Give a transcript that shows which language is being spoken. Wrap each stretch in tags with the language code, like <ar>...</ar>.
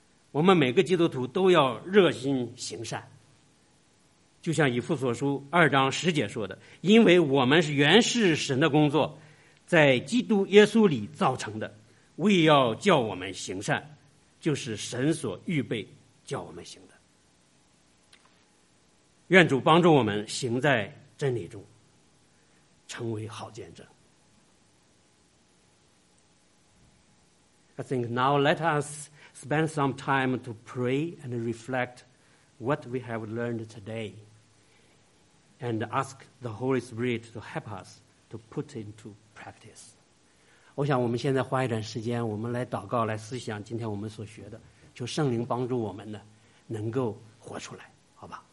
<zh>我们每个基督徒都要热心行善，就像以弗所书二章十节说的，因为我们是原是神的工作，在基督耶稣里造成的，为要叫我们行善，就是神所预备叫我们行的。愿主帮助我们行在真理中，成为好见证。</zh> <en>I think now let us spend some time to pray and reflect what we have learned today and ask the Holy Spirit to help us to put into practice.</en> <zh>我想我们现在花一点时间，我们来祷告，来思想今天我们所学的，求圣灵帮助我们呢能够活出来，好吧？</zh>